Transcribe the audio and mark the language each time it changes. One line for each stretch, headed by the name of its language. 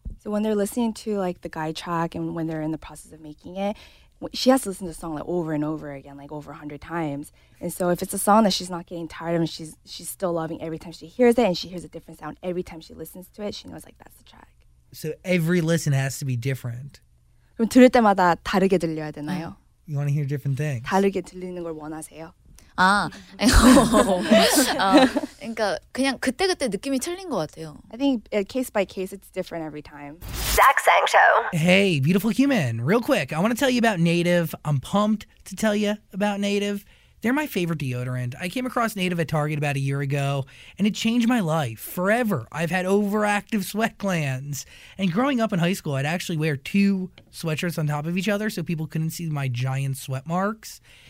English: So when they're listening to like the guide track and when they're in the process of making it, she has to listen to the song like over and over again, like over 100 times. And so if it's a song that she's not getting tired of and she's still loving every time she hears it and she hears a different sound every time she listens to it, she knows like that's the track. So every listen has to be different.
Korean: 그럼 들을 때마다 다르게 들려야 되나요?
English: You want to hear different things.
Korean: 다르게 들리는 걸 원하세요? 아, 그러니까 그냥 그때그때 느낌이 틀린 것 같아요.
English: I think case by case, it's different every time. Zach Sang Show. Hey, beautiful human. Real quick, I want to tell you about Native. I'm pumped to tell you about Native. They're my favorite deodorant. I came across Native at Target about a year ago, and it changed my life forever. I've had overactive sweat glands. And growing up in high school, I'd actually wear two sweatshirts on top of each other so people couldn't see my giant sweat marks.